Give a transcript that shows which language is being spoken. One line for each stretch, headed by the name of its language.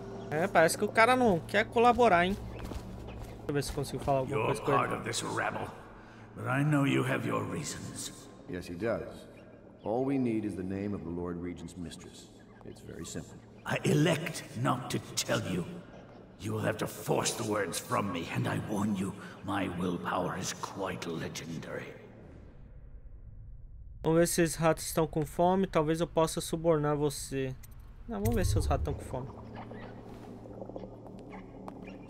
Portuguese: É, parece que o cara não quer colaborar, hein? Deixa eu ver se consigo falar alguma
English: You're
Portuguese: coisa com ele.
English: You're part of this rabble, but I know you have your reasons. Yes, he does. All we need is the name of the Lord Regent's mistress. It's very simple. I elect not to tell you. You will have to force the words from me, and I warn you, my willpower is quite legendary.
Portuguese: Vamos ver se esses ratos estão com fome. Talvez eu possa subornar você. Não, vamos ver se os ratos estão com fome.